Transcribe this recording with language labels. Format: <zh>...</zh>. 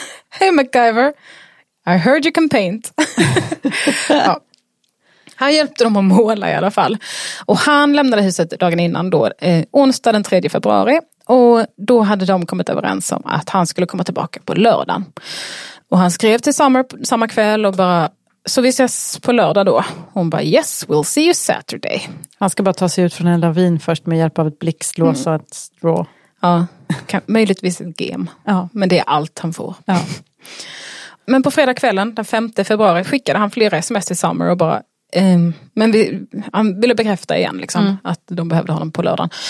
<en>Hey MacGyver, I heard you can paint.</en> <sv>Ja. Han hjälpte dem att måla i alla fall. Och han lämnade huset dagen innan då, onsdag den 3 februari. Och då hade de kommit överens om att han skulle komma tillbaka på lördagen. Och han skrev till Summer samma kväll och bara, så vi ses på lördag då. Hon bara,</sv> <en>yes, we'll see you Saturday.</en> <sv>Han ska bara ta sig ut från en lavin först med hjälp av ett blixtlås och ett strå. Ja, möjligtvis ett gem. Ja. Men det är allt han får. Ja. Men på fredag kvällen, den 5 februari, skickade han flera sms till Summer och bara, men vi, han ville bekräfta igen liksom, att de behövde honom på lördagen.</sv>